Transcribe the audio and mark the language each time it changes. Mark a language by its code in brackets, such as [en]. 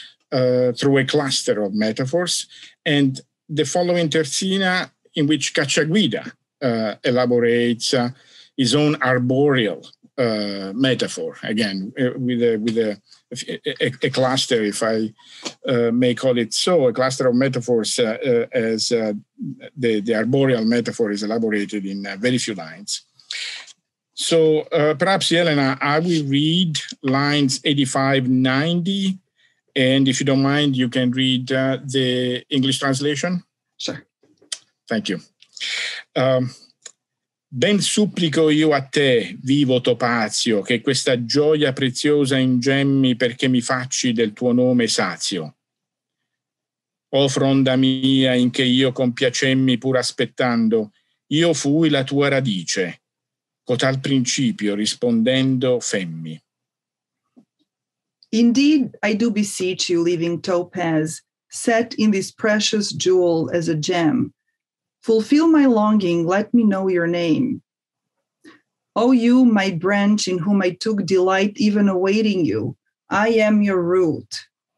[en] through a cluster of metaphors, and the following terzina in which Cacciaguida elaborates his own arboreal metaphor, again, with a cluster, if I may call it so, a cluster of metaphors as the arboreal metaphor is elaborated in very few lines. So perhaps, Jelena, I will read lines 85-90, and if you don't mind, you can read the English translation. Sure. Thank you. [it] Ben supplico io a te, vivo topazio, che questa gioia preziosa ingemmi perché mi facci del tuo nome sazio. O fronda mia, in che io compiacemmi pur aspettando, io fui la tua radice. Cotal principio rispondendo femmi. [en] Indeed, I do beseech you, living topaz, set in this precious jewel as a gem, fulfill my longing, let me know your name. O you, my branch in whom I took delight even awaiting you, I am your root.